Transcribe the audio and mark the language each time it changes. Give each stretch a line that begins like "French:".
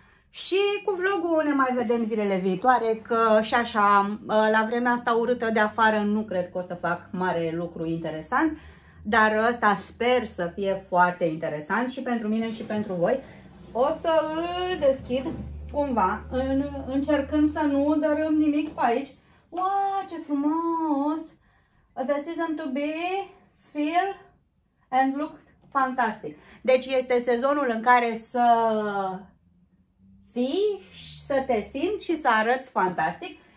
Romanian: Și cu vlogul ne mai vedem zilele viitoare, că și așa, la vremea asta urâtă de afară, nu cred că o să fac mare lucru interesant. Dar ăsta sper să fie foarte interesant și pentru mine și pentru voi. O să îl deschid cumva, încercând să nu dărâm nimic pe aici. Wow, ce frumos!
English: The season to be, feel and look fantastic.
Romanian: Deci este sezonul în care să fii, să te simți și să arăți fantastic.